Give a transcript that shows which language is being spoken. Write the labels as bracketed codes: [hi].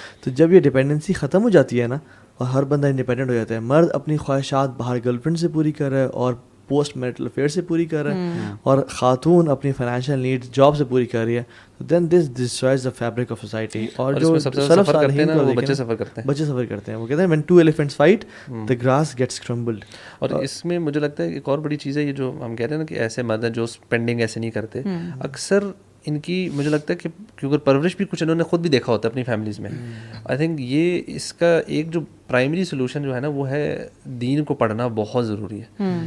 [ur] تو جب یہ ڈیپینڈنسی ختم ہو جاتی ہے نا, اور ہر بندہ انڈیپینڈنٹ ہو جاتا ہے, مرد اپنی خواہشات باہر گرل فرینڈ سے پوری کر رہا ہے اور پوسٹ میرٹل افیئر سے پوری کر رہا ہے, اور خاتون اپنی فائنینشیل نیڈ جاب سے پوری کر رہی ہے, [en] Then this destroys the fabric of society. [ur] اور جو سلف صالحین ہیں وہ بچے سفر کرتے ہیں, بچے سفر کرتے ہیں. وہ کہتے ہیں [en] when two elephants fight the grass gets crumbled. [ur] اور اس میں مجھے لگتا ہے ایک اور بڑی چیز ہے, یہ جو ہم کہتے ہیں نا کہ ایسے مرد ہیں جو اسپینڈنگ ایسے نہیں کرتے, اکثر ان کی مجھے لگتا ہے کہ کیونکہ پرورش بھی کچھ انہوں نے خود بھی دیکھا ہوتا ہے اپنی فیملیز میں. [en] I think [ur] یہ اس کا ایک جو پرائمری سولوشن جو ہے نا, وہ ہے دین کو پڑھنا بہت ضروری ہے.